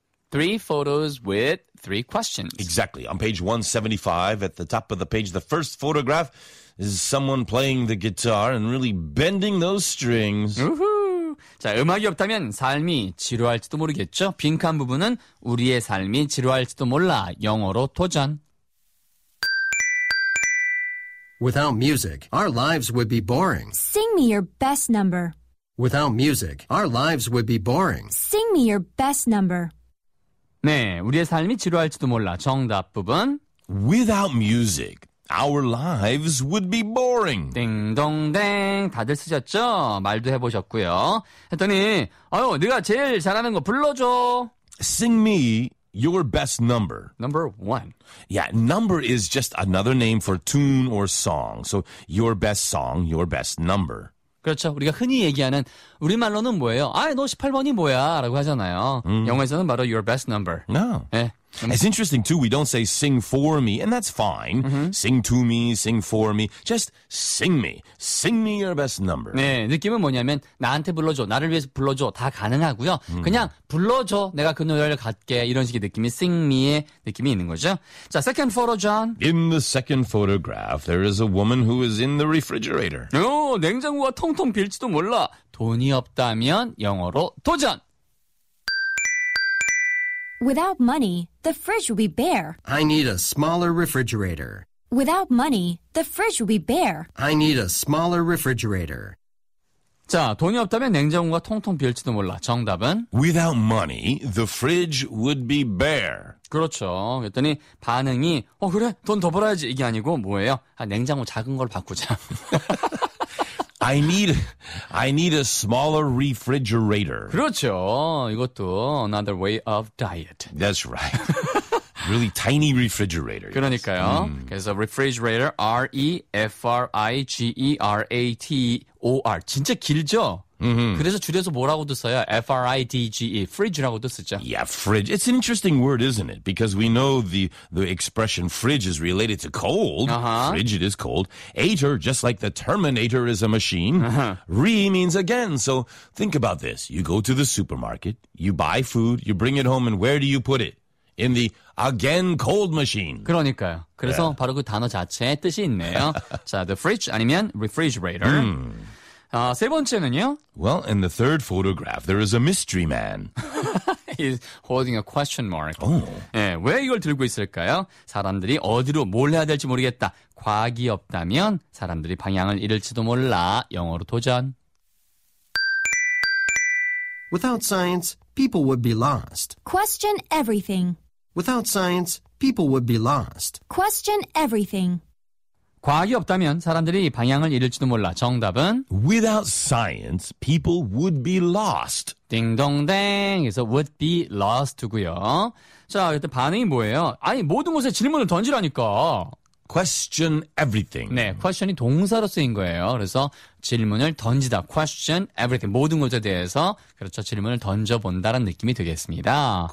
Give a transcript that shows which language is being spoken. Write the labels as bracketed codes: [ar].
[en] Three photos with three questions. Exactly. On page 175, at the top of the page, the first photograph is someone playing the guitar and really bending those strings. Woohoo! [ko] 자, 음악이 없다면 삶이 지루할지도 모르겠죠. 빈칸 부분은 우리의 삶이 지루할지도 몰라. 영어로 도전. [en] Without music, our lives would be boring. Sing me your best number. Without music, our lives would be boring. Sing me your best number. [ko] 네, 우리의 삶이 지루할지도 몰라. 정답 부분. [en] Without music, our lives would be boring. [ko] 띵동댕. 다들 쓰셨죠? 말도 해보셨고요. 했더니, 아유, 네가 제일 잘하는 거 불러줘. [en] Sing me your best number. Number one. Yeah, number is just another name for tune or song. So your best song, your best number. [ko] 그렇죠. 우리가 흔히 얘기하는 우리말로는 뭐예요? 아, 너 18번이 뭐야? 라고 하잖아요. 영어에서는 바로 [en] your best number. No. 네. It's interesting, too. We don't say sing for me, and that's fine. Mm-hmm. Sing to me, sing for me. Just sing me. Sing me your best number. [ko] 네, 느낌은 뭐냐면 나한테 불러줘, 나를 위해서 불러줘, 다 가능하고요. 그냥 불러줘, 내가 그 노래를 갖게. 이런 식의 느낌이 sing me의 느낌이 있는 거죠. [en] 자, second photo, John. In the second photograph, there is a woman who is in the refrigerator. [ko] 오, 냉장고가 통통 빌지도 몰라. 돈이 없다면 영어로 도전! [en] Without money, the fridge will be bare. I need a smaller refrigerator. Without money, the fridge will be bare. I need a smaller refrigerator. [ko] 자, 돈이 없다면 냉장고가 통통 빌지도 몰라. 정답은? [en] Without money, the fridge would be bare. [ko] 그렇죠. 그랬더니 반응이, 어, 그래, 돈 더 벌어야지. 이게 아니고 뭐예요? 아, 냉장고 작은 걸 바꾸자. [en] I need a smaller refrigerator. [ko] 그렇죠. 이것도 [en] another way of diet. That's right. Really tiny refrigerator. [ko] 그러니까요. Yes. 그래서 refrigerator, R-E-F-R-I-G-E-R-A-T-O-R. 진짜 길죠? [en] Mm-hmm. [ko] 그래서 줄여서 뭐라고도 써요? F-R-I-D-G-E, fridge라고도 쓰죠. [en] Yeah, fridge. It's an interesting word, isn't it? Because we know the expression fridge is related to cold. Uh-huh. Fridge, it is cold. Ator, just like the Terminator is a machine. Uh-huh. Re means again. So think about this. You go to the supermarket, you buy food, you bring it home, and where do you put it? In the again cold machine. [ko] 그러니까요. 그래서 yeah. 바로 그 단어 자체의 뜻이 있네요. [en] 자, the fridge 아니면 refrigerator. [ko] 세 번째는요? [en] Well, in the third photograph, there is a mystery man. He's holding a question mark. Oh. [ko] 네, 왜 이걸 들고 있을까요? 사람들이 어디로 뭘 해야 될지 모르겠다. 과학이 없다면 사람들이 방향을 잃을지도 몰라. 영어로 도전. [en] Without science, people would be lost. Question everything. Without science, people would be lost. Question everything. [ko] 과학이 없다면 사람들이 방향을 잃을지도 몰라. 정답은? [en] Without science, people would be lost. [ko] 띵동댕. 그래서 would be lost고요. 자, 그때 반응이 뭐예요? 아니, 모든 곳에 질문을 던지라니까. [en] Question everything. [ko] 네, question이 동사로 쓰인 거예요. 그래서 질문을 던지다. Question everything. 모든 것에 대해서 그렇죠. 질문을 던져본다는 느낌이 되겠습니다.